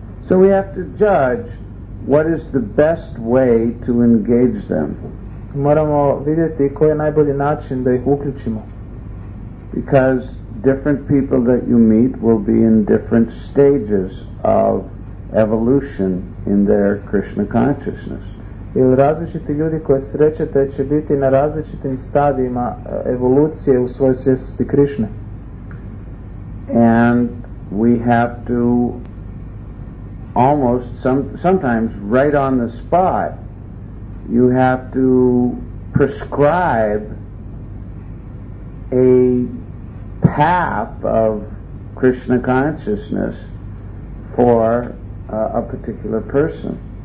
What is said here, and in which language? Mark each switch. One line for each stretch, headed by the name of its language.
English: So we have to judge what is the best way to engage them.
Croatian: Moramo vidjeti koji je najbolji način da ih uključimo.
English: Because different people that you meet will be in different stages of evolution in their Krishna consciousness.
Croatian: Jer različiti ljudi koje srećete će biti na različitim stadijima evolucije u svojoj svjesnosti Krishne.
English: And we have to almost sometimes right on the spot you have to prescribe a path of Krishna consciousness for a particular person.